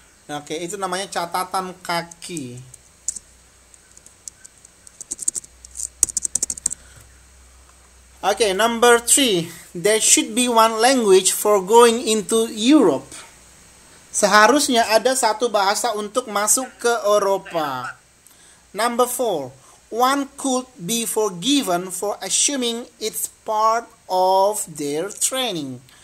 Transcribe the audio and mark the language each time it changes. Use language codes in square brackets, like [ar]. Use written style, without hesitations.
[id] Oke, okay, itu namanya catatan kaki. [en] Okay, number 3. There should be one language for going into Europe. [id] Seharusnya ada satu bahasa untuk masuk ke Eropa. [en] Number 4. One could be forgiven for assuming it's part of their training.